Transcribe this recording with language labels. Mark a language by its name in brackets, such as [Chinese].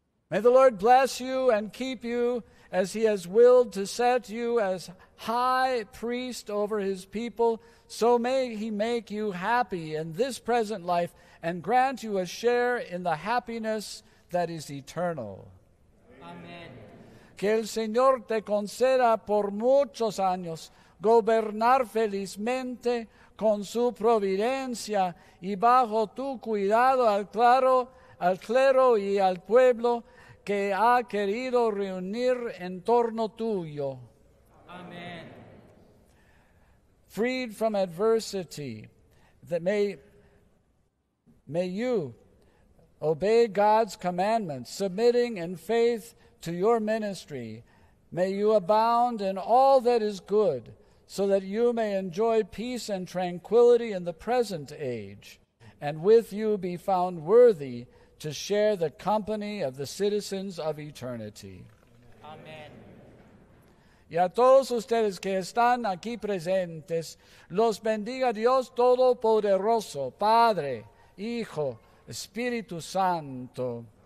[English] May the Lord bless you and keep you as he has willed to set you as high priest over his people. So may he make you happy in this present life and grant you a share in the happiness that is eternal. Amen. [Spanish] Que el Señor te conceda por muchos años gobernar felizmente con su providencia y bajo tu cuidado al clero y al pueblo que ha querido reunir en torno tuyo. [English] Amen. Freed from adversity, that may you obey God's commandments, submitting in faith to your ministry. May you abound in all that is good, so that you may enjoy peace and tranquility in the present age, and with you be found worthy to share the company of the citizens of eternity. Amen. [Spanish] Y a todos ustedes que están aquí presentes, los bendiga Dios Todopoderoso, Padre, Hijo, Espíritu Santo.